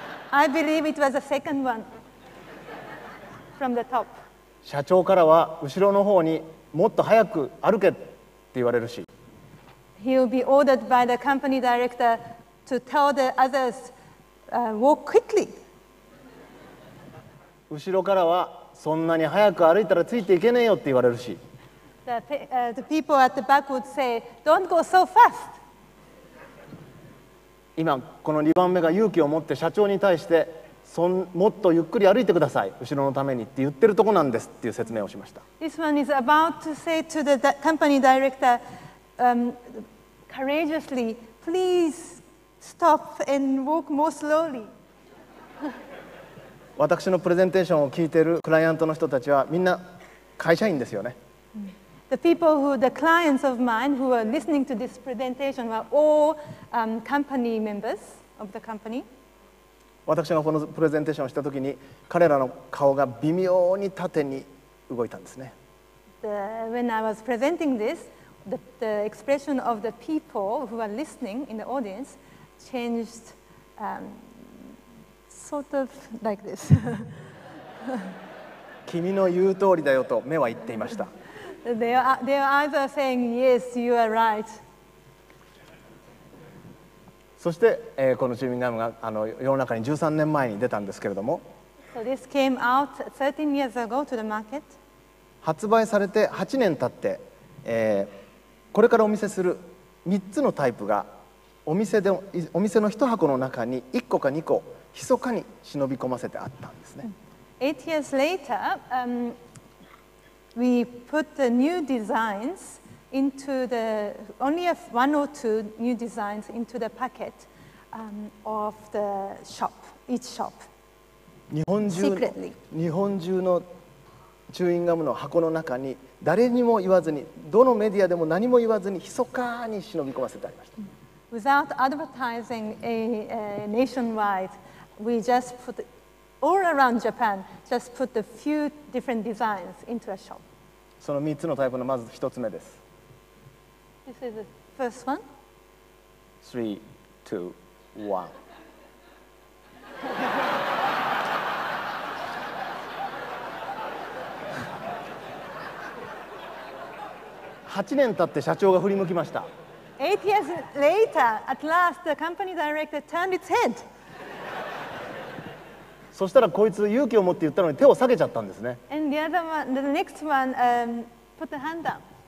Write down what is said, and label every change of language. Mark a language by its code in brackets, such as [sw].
[en] I believe it was the second one. from the top. [ja] 社長からは後ろの方にもっと早く歩けって言われるし。 [en] He will be ordered by the company director to tell the others, walk quickly. [ja] 後ろからはそんなに早く歩いたらついていけねえよって言われるし。 [en] The people at the back would say, don't go so fast. [ja] 今この2番目が勇気を持って社長に対して、もっとゆっくり歩いてください、後ろのためにって言ってるとこなんですっていう説明をしました。 [en] This one is about to say to the company director, courageously, please stop and walk more slowly. [ja] 私のプレゼンテーションを聞いてるクライアントの人たちはみんな会社員ですよね。 [en] The people who, the clients of mine who are listening to this presentation are all company members of the company. [ja] 私がこのプレゼンテーションをしたときに彼らの顔が微妙に縦に動いたんですね。 [en] When I was presenting this, the expression of the people who are listening in the audience changed sort of like this. [ja] 君の言う通りだよと目は言っていました。 [en] Their eyes are saying, yes, you are right. [ja] そして、このチューミンガムが世の中に13年前に出たんですけれども、 [en] so、this came out 13 years ago to the market. [ja] 発売されて8年経って、これからお見せする3つのタイプがお店の1箱の中に1個か2個密かに忍び込ませてあったんですね。 [en] 8 years later, we put the new designs into the only one or two new designs into the packet of the shop, each shop. [ja] 日本中のチューインガムの箱の中に誰にも言わずに、どのメディアでも何も言わずに密かに忍び込ませてありました。 [en] Without advertising nationwide, we just put all around Japan, just put a few different designs into a shop. [ja] その3つのタイプのまず1つ目です。 [en] This is the first one. 3, 2, 1. [ja] 8年経って社長が振り向きました。 [en] 8 years later, at last, the company director turned its head. [ja] そしたらこいつ勇気を持って言ったのに手を下げちゃったんですね。 [en] And the other one, the next one, put the hand down.